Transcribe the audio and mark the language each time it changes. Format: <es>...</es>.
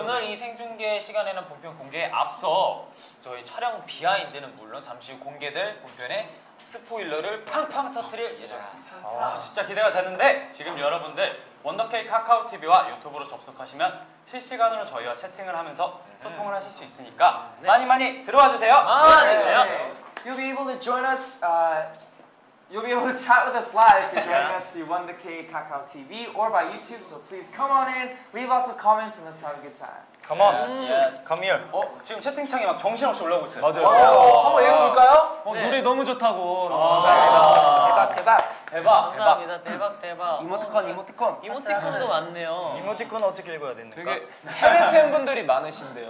<ko>오늘 이 생중계 시간에는 본편 공개에 앞서 저희 촬영 비하인드는 물론 잠시 후 공개될 본편의 스포일러를 팡팡 터뜨릴 예정입니다. 아, 진짜 기대가 되는데 지금 여러분들 원더케이 카카오TV와 유튜브로 접속하시면 실시간으로 저희와 채팅을 하면서 소통을 하실 수 있으니까 많이 많이 들어와 주세요. 아, 네.</ko> <en>You'll be able to join us. You'll be able to chat with us live if you join us through WonderKey Kakao TV or by YouTube. So please come on in, leave lots of comments, and let's have a good time. Come on, come here.</en> <ko>어, 지금 채팅창이 막 정신없이 올라오고 있어요. 맞아요. 한번 읽어볼까요? 어, 네. 노래 너무 좋다고. 감사합니다. 대박, 대박. 대박, 감사합니다. 대박, 대박. 이모티콘, 이모티콘. 이모티콘도 많네요. 이모티콘 어떻게 읽어야 됩니까? 되게 해외 팬분들이 많으신데요.</ko>